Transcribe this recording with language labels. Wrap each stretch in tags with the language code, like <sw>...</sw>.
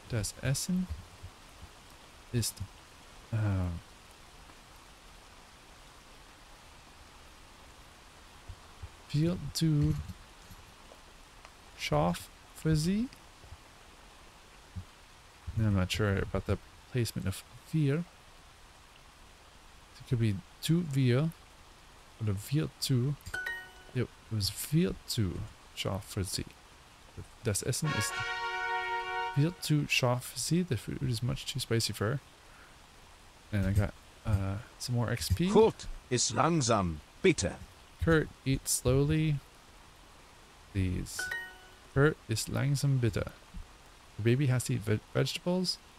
<de>Das Essen ist viel zu scharf für sie.</de> <en>I'm not sure about the placement of viel. It could be zu viel or viel zu.</en> <de>It was viel zu scharf für sie. Das Essen ist viel zu scharf für sie.</de> <en>The food is much too spicy for her. And I got some more XP.</en> <de>Kurt, is langsam, bitte.</de> <en>Kurt, eat slowly, please.</en> <de>Kurt, is langsam, bitte.</de> <en>Your baby has to eat vegetables.</en>